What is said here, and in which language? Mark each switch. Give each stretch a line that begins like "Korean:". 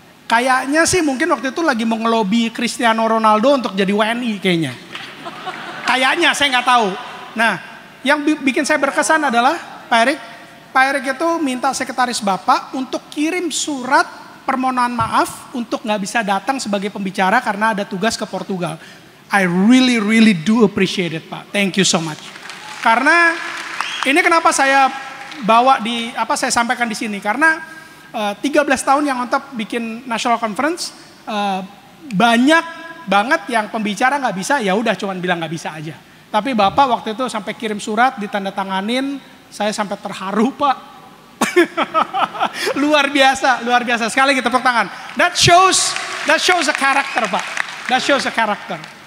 Indonesian: Kayaknya sih mungkin waktu itu lagi mau ngelobi Cristiano Ronaldo untuk jadi WNI kayaknya. Kayaknya, saya gak tahu. Nah, yang bikin saya berkesan adalah Pak Erik itu minta sekretaris Bapak untuk kirim surat permohonan maaf untuk gak bisa datang sebagai pembicara karena ada tugas ke Portugal.
English: I really, really do appreciate it, Pak. Thank you so much.
Indonesian: Karena ini kenapa saya bawa di apa saya sampaikan di sini karena 13 tahun yang on top bikin national conference banyak banget yang pembicara nggak bisa, ya udah cuman bilang nggak bisa aja, tapi Bapak waktu itu sampai kirim surat ditandatanganin, saya sampai terharu Pak. luar biasa sekali, kita tepuk tangan.
English: That shows a character Pak, that shows a character.